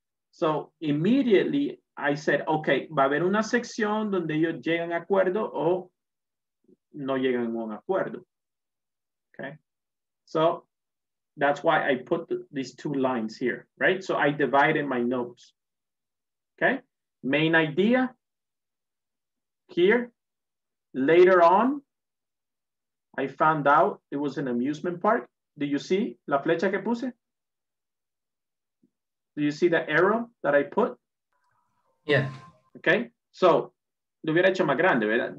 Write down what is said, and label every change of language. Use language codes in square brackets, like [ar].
[en] So immediately I said, okay, [es] va a haber una sección donde ellos llegan a acuerdo o no llegan a un acuerdo, okay? [en] So that's why I put these two lines here, right? So I divided my notes, okay? Main idea here, later on, I found out it was an amusement park. Do you see [es] la flecha que puse? [en] Do you see the arrow that I put? Yeah. [es] Okay, so, lo hubiera hecho más grande, ¿verdad?